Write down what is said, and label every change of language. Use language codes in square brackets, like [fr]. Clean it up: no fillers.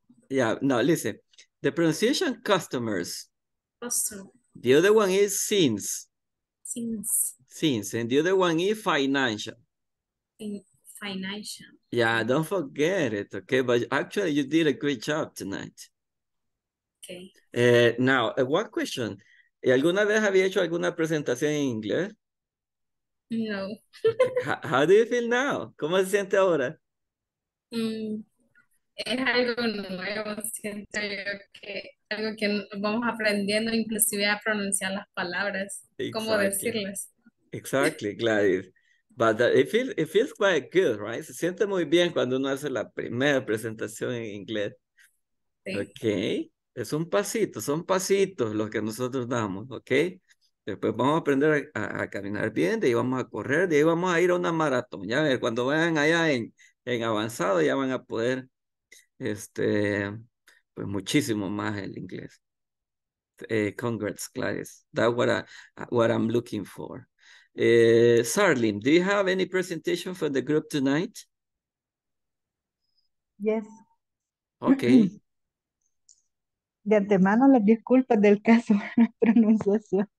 [en] Yeah. Yeah. No, listen. The pronunciation customers. Customer. The other one is since. Since. And the other one is financial. Financial. Yeah, don't forget it, okay? But actually, you did a great job tonight. Okay. Now, one question. [es] ¿Alguna vez había hecho alguna presentación en inglés? No. [en] How do you feel now? [es] ¿Cómo se siente ahora? Es algo nuevo. Siento yo que... algo que vamos aprendiendo, inclusive a pronunciar las palabras, cómo decirlas. [en] Exactly, Gladys. But it feels quite good, right? [es] Se siente muy bien cuando uno hace la primera presentación en inglés. Sí. [en] Ok. [es] Es un pasito, son pasitos los que nosotros damos, ok. Después vamos a aprender a caminar bien, de ahí vamos a correr, de ahí vamos a ir a una maratón. Ya ver, cuando vayan allá en avanzado, ya van a poder, pues muchísimo más el inglés. [en] Congrats, Gladys. That's what I'm looking for. Sarlene, do you have any presentation for the group tonight? Yes. Okay. [es] De antemano, las disculpas del caso de pronunciación.